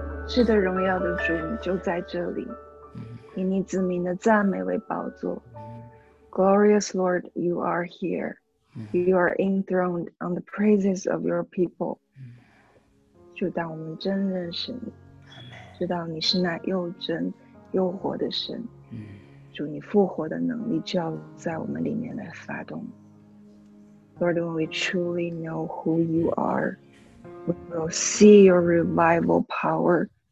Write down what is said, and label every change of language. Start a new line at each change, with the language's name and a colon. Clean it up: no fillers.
Chinese: 是的，荣耀的主，你就在这里，以你子民的赞美为宝座。
English: Glorious Lord, you are here. You are enthroned on the praises of your people.
Chinese: 主，当我们真认识你，知道你是那又真又活的神。主，你复活的能力就要在我们里面来发动。
English: Lord, when we truly know who you are, we will see your revival power.